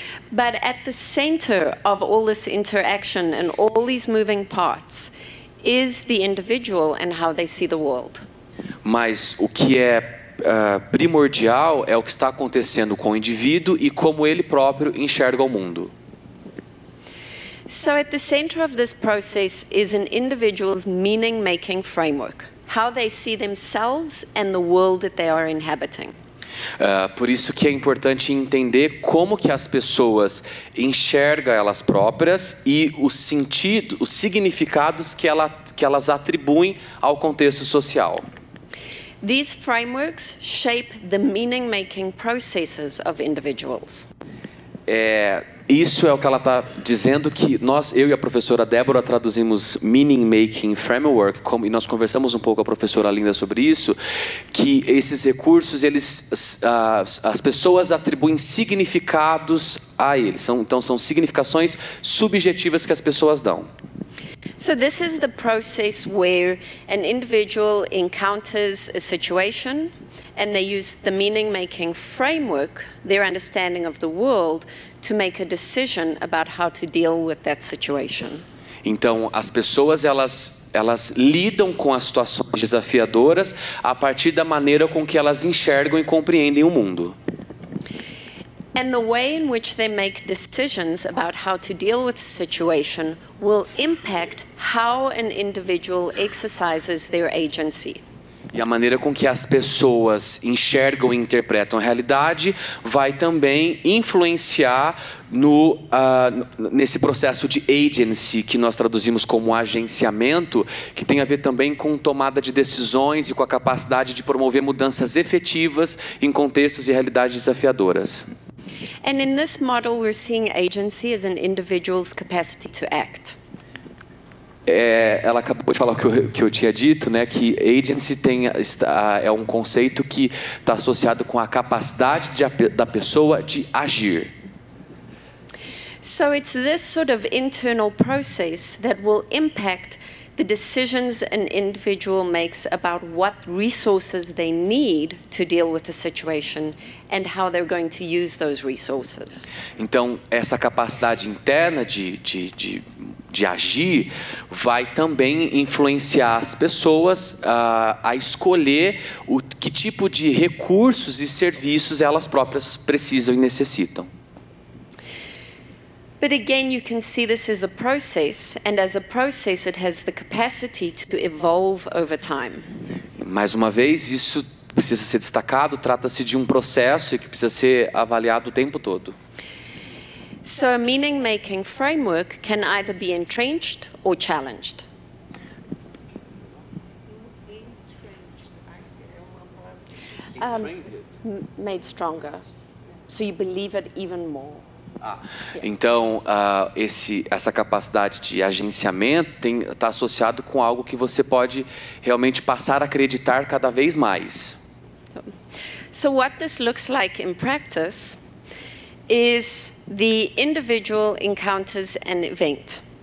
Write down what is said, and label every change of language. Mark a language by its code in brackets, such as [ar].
[en] But at the center of all this interaction and all these moving parts is the individual and how they see the world. [pt] Mas o que é primordial é o que está acontecendo com o indivíduo e como ele próprio enxerga o mundo. [en] So at the center of this process is an individual's meaning-making framework, how they see themselves and the world that they are inhabiting. [pt] Por isso que é importante entender como que as pessoas enxergam elas próprias e o sentido, os significados que, elas atribuem ao contexto social. [en] These frameworks shape the meaning-making processes of individuals. [pt] Isso é o que ela está dizendo, que nós, eu e a professora Débora, traduzimos Meaning Making Framework, e nós conversamos um pouco com a professora Linda sobre isso, que esses recursos, as pessoas atribuem significados a eles. Então, são significações subjetivas que as pessoas dão. [en] So this is the process where an individual encounters a situation, and they use the meaning making framework, their understanding of the world, to make a decision about how to deal with that situation. [pt] Então, as pessoas elas lidam com as situações desafiadoras a partir da maneira com que elas enxergam e compreendem o mundo. [en] And the way in which they make decisions about how to deal with the situation will impact how an individual exercises their agency. [pt] E a maneira com que as pessoas enxergam e interpretam a realidade vai também influenciar nesse processo de agency, que nós traduzimos como agenciamento, que tem a ver também com tomada de decisões e com a capacidade de promover mudanças efetivas em contextos e realidades desafiadoras. [en] And in this model, we're seeing agency as an individual's capacity to act. [pt] Ela acabou de falar o que eu tinha dito, né, que agency é um conceito que está associado com a capacidade da pessoa de agir. [en] So it's this sort of internal process that will impact the decisions an individual makes about what resources they need to deal with the situation and how they're going to use those resources. [pt] Então, essa capacidade interna de agir vai também influenciar as pessoas a escolher que tipo de recursos e serviços elas próprias precisam e necessitam. [en] But again, you can see this as a process, and as a process it has the capacity to evolve over time. [pt] Mais uma vez, isso precisa ser destacado, trata-se de um processo que precisa ser avaliado o tempo todo. [en] So a meaning-making framework can either be entrenched or challenged. Made stronger. So you believe it even more. [pt] Então, essa capacidade de agenciamento está associado com algo que você pode realmente passar a acreditar cada vez mais. [en] So what this looks like in practice is the individual encounters an event.